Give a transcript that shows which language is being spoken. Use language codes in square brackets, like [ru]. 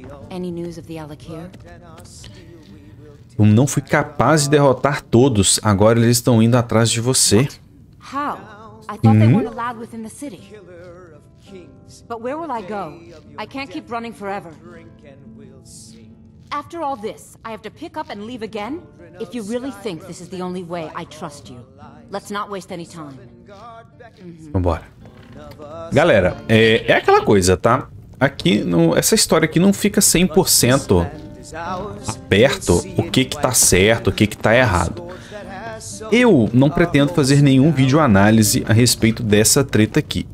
[en] Any news of the Alakir? [pt] Eu não fui capaz de derrotar todos. Agora eles estão indo atrás de você. [en] How? I thought they weren't allowed within the city. But where will I go? I can't keep running forever. After all this, I have to pick up and leave again? If you really think this is the only way, I trust you. Let's not waste any time. [pt] Vambora. Galera, é aquela coisa, tá? Aqui, essa história aqui não fica 100% aberto o que tá certo, o que tá errado. Eu não pretendo fazer nenhum vídeo análise a respeito dessa treta aqui.